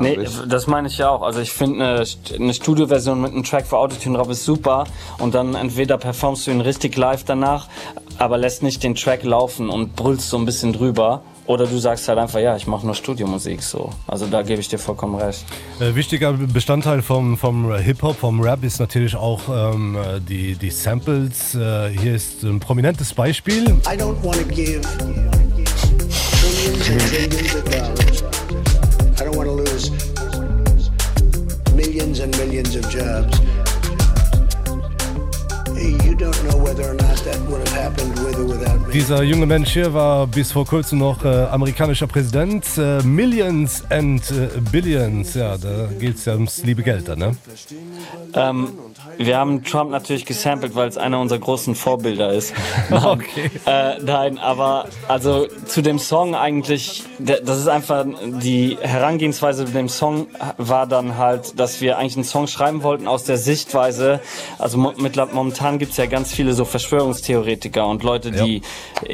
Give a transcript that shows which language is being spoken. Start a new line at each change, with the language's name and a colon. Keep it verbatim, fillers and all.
German: Nee, das meine ich ja auch, also ich finde eine, eine Studio-Version mit einem Track für Autotune drauf ist super und dann entweder performst du ihn richtig live danach, aber lässt nicht den Track laufen und brüllst so ein bisschen drüber. Oder du sagst halt einfach, ja, ich mache nur Studiomusik, so. Also da gebe ich dir vollkommen recht. Äh, wichtiger Bestandteil vom, vom Hip-Hop, vom Rap ist natürlich auch ähm, die, die Samples. Äh, hier ist ein prominentes Beispiel.
English: I don't wanna give millions and millions of dollars. I don't wanna lose millions and millions of jobs. You don't know whether or not that would have happened with or without me.
German: Dieser junge Mensch hier war bis vor kurzem noch äh, amerikanischer Präsident. Äh,
English: Millions and äh, Billions,
German: ja, da geht's ja ums liebe Geld dann, ne? Ähm, wir haben Trump natürlich gesampelt, weil es einer unserer großen Vorbilder ist. Okay. äh, nein, aber also zu dem Song eigentlich, das ist einfach die Herangehensweise mit dem Song war dann halt, dass wir eigentlich einen Song schreiben wollten aus der Sichtweise, also mit, momentan gibt es ja ganz viele so Verschwörungstheoretiker und Leute, die ja.